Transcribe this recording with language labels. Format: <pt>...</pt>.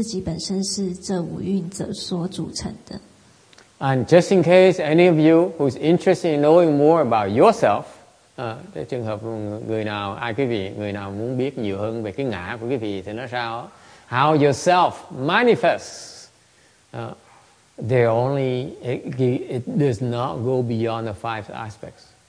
<zh>要不是佛来到世间呢，我们才会了解说，我们自己本身是这五蕴所组成的。</zh> <en>And just in case any of you who is interested in knowing more about yourself.</en> <vi>Cái trường hợp người nào muốn biết nhiều hơn về cái ngã của quý vị thì nó sao?</vi> <en>How yourself manifests? It does not go beyond the five aspects.</en>